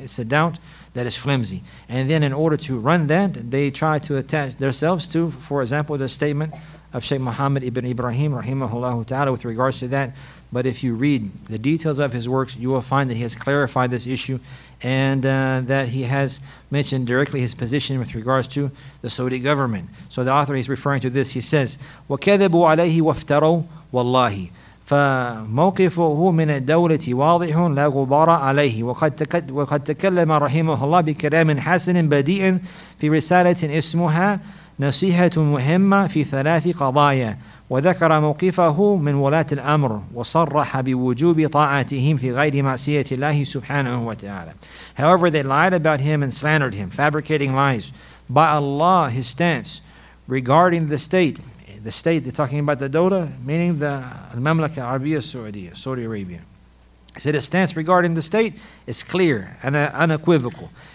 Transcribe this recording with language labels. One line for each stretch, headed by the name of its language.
English: It's a doubt that is flimsy. And then in order to run that, they try to attach themselves to, for example, the statement of Shaykh Muhammad ibn Ibrahim rahimahullah ta'ala with regards to that. But if you read the details of his works, you will find that he has clarified this issue and that he has mentioned directly his position with regards to the Saudi government. So the author is referring to this. He says,
Arabic: وَكَذَبُوا عَلَيْهِ وَافْتَرَوْا وَاللَّهِ فَمَوْقِفُهُ مِنَ الدَّوْلَةِ وَاضِحٌ لَا غُبَارَ عَلَيْهِ وَقَدْ تَكَلَّمَ رَحِيمُهُ اللَّهِ بِكَلَامٍ حَسَنٍ بَدِيئٍ فِي رِسَالَةٍ إِسْمُهَا نَصِيحَةٌ مُهِمَّةٌ فِي ثَلَاثِ قَضَايَا وذكر موقفه من ولاة الأمر وصرح بوجوب طاعتهم في غير معصية الله سبحانه وتعالى.
English: However, they lied about him and slandered him, fabricating lies. By Allah, his stance regarding the state, they're talking about the Dawla, meaning the Al-Mamlaka Arabiya Saudiya, Saudi Arabia. He said his stance regarding the state is clear and unequivocal.